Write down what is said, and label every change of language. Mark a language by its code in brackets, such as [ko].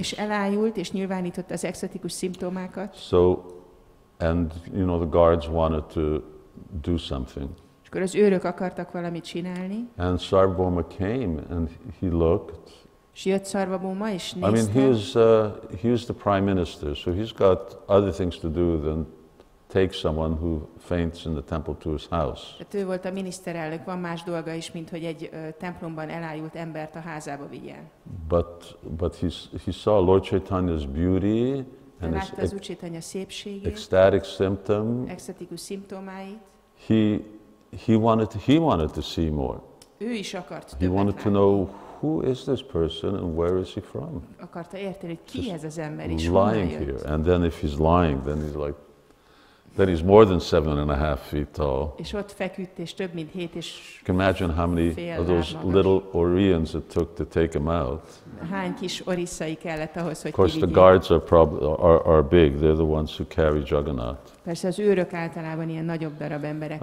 [hu] És elájult és nyilvánított az ecstatikus szimptomákat. [en] So. And you know the guards wanted to do something. [hu] És akkor az őrök akartak valamit csinálni. [en] And Sarvabhauma came and he looked. [hu] És jött Sarvabhauma és nézte. [en] I mean he's the prime minister, so he's got other things to do than take someone who faints in the temple to his house. [hu] Tehát ő volt a miniszterelnök, van más dolga is, mint hogy egy templomban elájult embert a házába vigyen. [en] But he saw Lord Chaitanya's beauty. And [hu] látta az Úr Csaitanya szépségét, [en] ecstatic symptom, [hu] ecstatikus szimptomáit. [en] He wanted to see more. [hu] Ő is akart többet. [en] He wanted to know who is this person and where is he from. [hu] Akarta érteni, ki ez az ember is. [en] Lying here, and then if he's lying, then he's like, then he's more than 7.5 feet tall. [hu] És ott feküdt és több mint 7 és. [en] Can imagine how many of those little Orions it took to take him out. [hu] Hány kis orisszai kellett ahhoz, hogy kivigyék. [en] Of course, the guards are big. They're the ones who carry Jagannath. [hu] Persze az őrök általában ilyen nagyobb darab emberek.